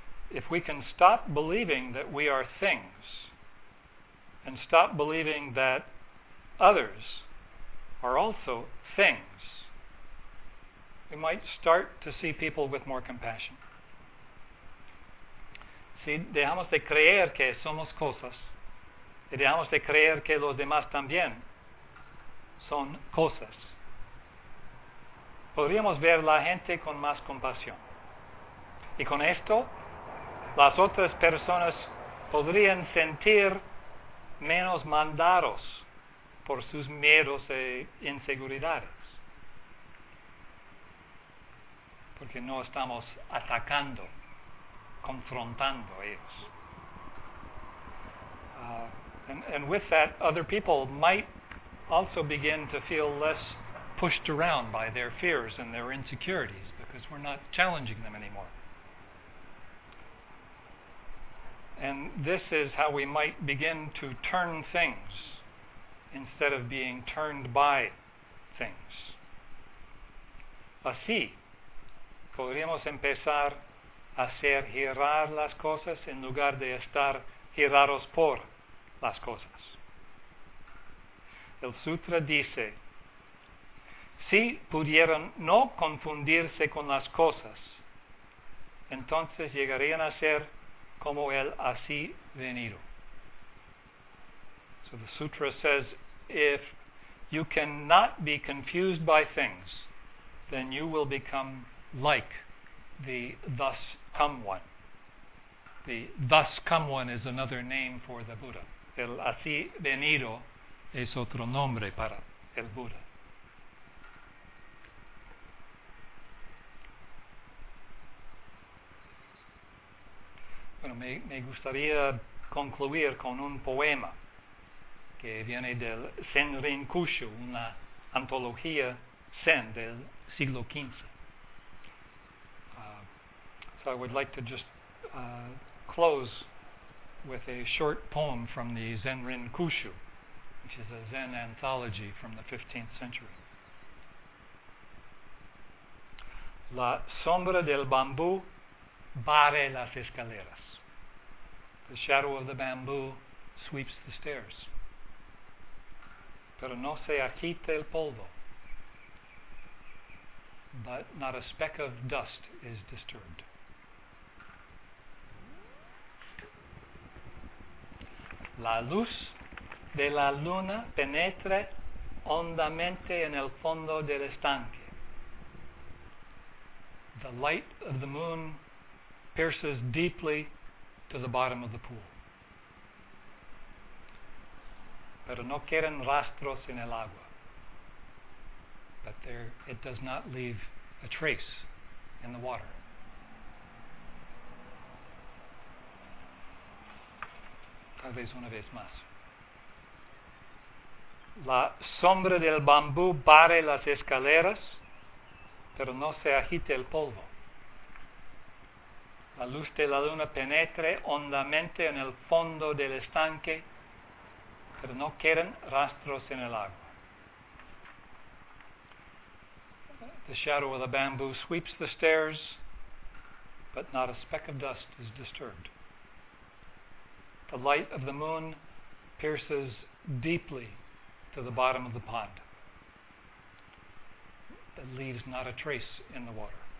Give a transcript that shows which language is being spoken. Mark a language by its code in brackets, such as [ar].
[en] If we can stop believing that we are things and stop believing that others are also things, we might start to see people with more compassion. [es] Si dejamos de creer que somos cosas, y dejamos de creer que los demás también son cosas, podríamos ver la gente con más compasión. Y con esto, las otras personas podrían sentir menos mandados por sus miedos e inseguridades. Porque no estamos atacando, confrontando a ellos. [en] And with that, other people might also begin to feel less pushed around by their fears and their insecurities because we're not challenging them anymore. And this is how we might begin to turn things instead of being turned by things. [es] Así, podríamos empezar a hacer girar las cosas en lugar de estar girados por las cosas. El sutra dice, si pudieran no confundirse con las cosas, entonces llegarían a ser como el así venido. [en] So the sutra says, if you cannot be confused by things, then you will become like the thus come one. The thus come one is another name for the Buddha. [es] El así venido es otro nombre para el Buda. Bueno, me gustaría concluir con un poema que viene del Zenrin Kushu, una antología Zen del siglo XV. [en] So I would like to just close with a short poem from the Zenrin Kushu, which is a Zen anthology from the 15th century. [es] La sombra del bambú barre las escaleras. [en] The shadow of the bamboo sweeps the stairs. [es] Pero no se agita el polvo. [en] But not a speck of dust is disturbed. [es] La luz de la luna penetra hondamente en el fondo del estanque. [en] The light of the moon pierces deeply to the bottom of the pool. [es] Pero no quedan rastros en el agua. [en] But there, it does not leave a trace in the water. [es] Tal vez una vez más. La sombra del bambú barre las escaleras, pero no se agite el polvo. La luz de la luna penetre hondamente en el fondo del estanque, pero no queden rastros en el agua. [en] The shadow of the bamboo sweeps the stairs, but not a speck of dust is disturbed. The light of the moon pierces deeply to the bottom of the pond, but leaves not a trace in the water.